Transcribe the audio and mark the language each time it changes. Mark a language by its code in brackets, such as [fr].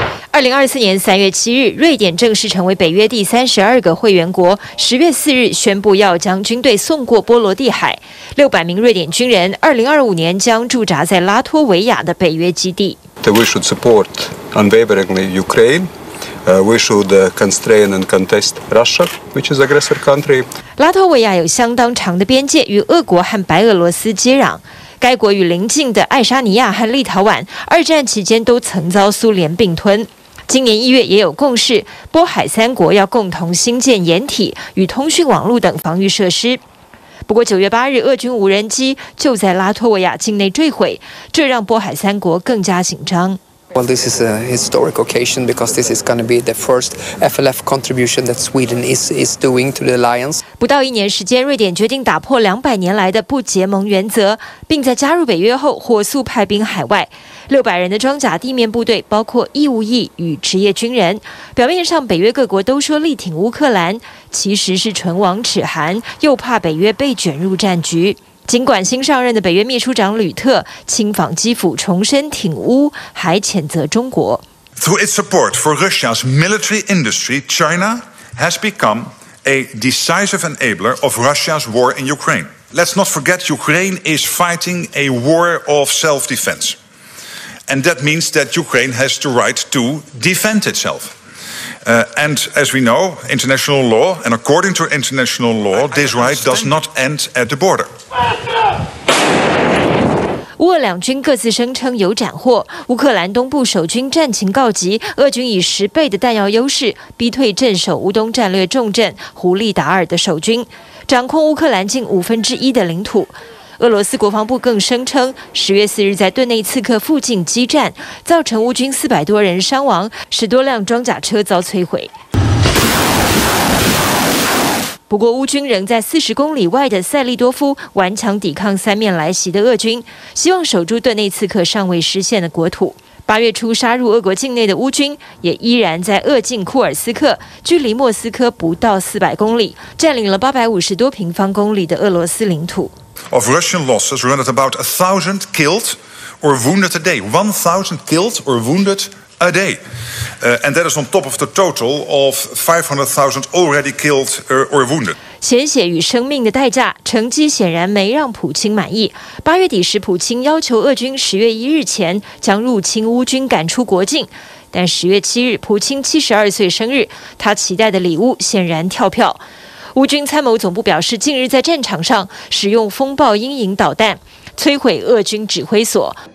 [zh] 2024年3月7日，瑞典正式成为北约第32个会员国。 10月4日宣布要将军队送过波罗的海。 600名瑞典军人，2025年将驻扎在拉脱维亚的北约基地。 [en] We should support unwaveringly Ukraine. we should constrain and contest Russia, which is an aggressor country. [zh] 拉脱维亚有相当长的边界与俄国和白俄罗斯接壤。该国与邻近的爱沙尼亚和立陶宛，二战期间都曾遭苏联并吞。今年一月也有共识，波海三国要共同兴建掩体与通讯网络等防御设施。不过9月8日俄军无人机就在拉脱维亚境内坠毁，这让波海三国更加紧张。 [en] Well, this is a historic occasion because this is going to be the first FLF contribution that Sweden is doing to the alliance. [zh] 不到一年时间，瑞典决定打破200年来的不结盟原则，并在加入北约后火速派兵海外。 600人的装甲地面部队包括义务役与职业军人。表面上北约各国都说力挺乌克兰，其实是唇亡齿寒，又怕北约被卷入战局。尽管新上任的北约秘书长吕特亲访基辅，重申挺乌，还谴责中国。 [en] Through its support for Russia's military industry, China has become a decisive enabler of Russia's war in Ukraine. Let's not forget, Ukraine is fighting a war of self-defense, and that means that Ukraine has the right to defend itself. And as we know, international law, and according to international law, this right does not end at the border. [zh] 乌俄两军各自声称有斩获，乌克兰东部守军战情告急，俄军以十倍的弹药优势逼退镇守乌东战略重镇胡利达尔的守军，掌控乌克兰近五分之一的领土。俄罗斯国防部更声称，十月四日在顿内茨克附近激战，造成乌军四百多人伤亡，十多辆装甲车遭摧毁。不过，乌军仍在四十公里外的塞利多夫顽强抵抗三面来袭的俄军，希望守住顿内茨克尚未失陷的国土。八月初杀入俄国境内的乌军，也依然在俄境库尔斯克，距离莫斯科不到四百公里，占领了八百五十多平方公里的俄罗斯领土。 [en] Of Russian losses, run at about 1,000 killed or wounded a day. 1,000 killed or wounded a day. And that is on top of the total of 500,000 already killed or wounded. [zh] 鲜血与生命的代价，成绩显然没让普京满意。八月底时，普京要求俄军十月一日前将入侵乌军赶出国境。但十月七日，普京72岁生日，他期待的礼物显然跳票。乌军参谋总部表示，近日在战场上使用风暴阴影导弹摧毁俄军指挥所。